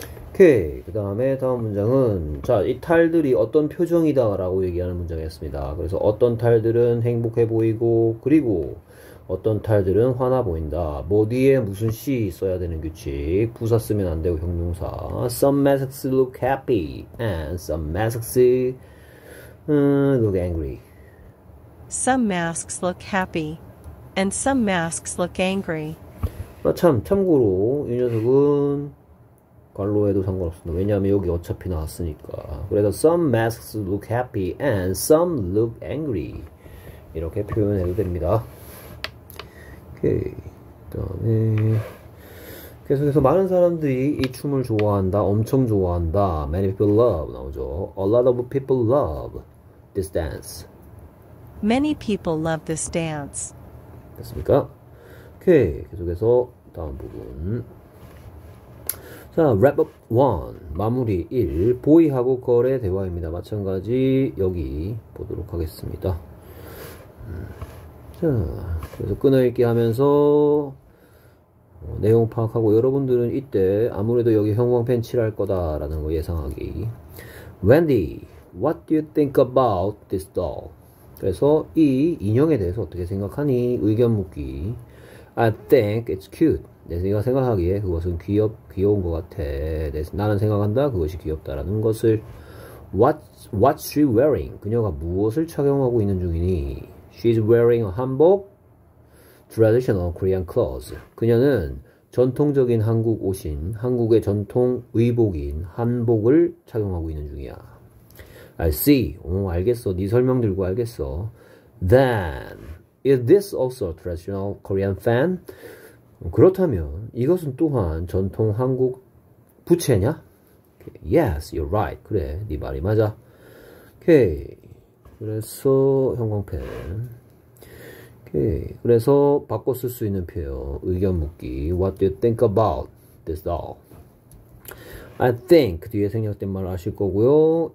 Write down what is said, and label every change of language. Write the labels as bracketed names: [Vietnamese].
[Korean] 오케이. 그다음에 다음 문장은 자, 이 탈들이 어떤 표정이다라고 얘기하는 문장이었습니다. 그래서 어떤 탈들은 행복해 보이고 그리고 어떤 탈들은 화나 보인다. 뭐 뒤에 무슨 시 써야 되는 규칙. 부사 쓰면 안 되고 형용사. [English] Some masks look happy and some masks look angry. Some masks look happy, and some masks look angry. [Korean] 아, 참 참고로 이 녀석은 말로 해도 상관없습니다. 왜냐하면 여기 어차피 나왔으니까. 그래서 [English] some masks look happy and some look angry [Korean] 이렇게 표현해도 됩니다. 오케이. 그다음에 계속해서 많은 사람들이 이 춤을 좋아한다. 엄청 좋아한다. [English] Many people love [Korean] 나오죠. [English] A lot of people love this dance. Many people love this dance. [Korean] 됐습니까? 오케이. 계속해서 다음 부분. 자, wrap up 1. 마무리 1. 보이하고 걸의 대화입니다. 마찬가지, 여기 보도록 하겠습니다. 자, 그래서 끊어읽기 하면서 내용 파악하고 여러분들은 이때 아무래도 여기 형광펜 칠할 거다라는 거 예상하기. [English] Wendy, what do you think about this doll? [Korean] 그래서 이 인형에 대해서 어떻게 생각하니? 의견 묻기. [English] I think it's cute. [Korean] 내가 생각하기에 그것은 귀여운 것 같아. 나는 생각한다. 그것이 귀엽다라는 것을. [English] What's she wearing? [Korean] 그녀가 무엇을 착용하고 있는 중이니? [English] She's wearing a 한복. Traditional Korean clothes. [Korean] 그녀는 전통적인 한국 옷인, 한국의 전통 의복인 한복을 착용하고 있는 중이야. [English] I see. [Korean] 오, 알겠어. 네 설명 들고 알겠어. [English] Then, is this also a traditional Korean fan? [Korean] 그렇다면 이것은 또한 전통 한국 부채냐? [English] Yes, you're right. [Korean] 그래, 네 말이 맞아. 오케이. 그래서 형광펜. 오케이. 그래서 바꿔 쓸수 있는 표현. 의견 묻기. [English] What do you think about this doll? I think [Korean] 뒤에 생략된 말 아실 거고요.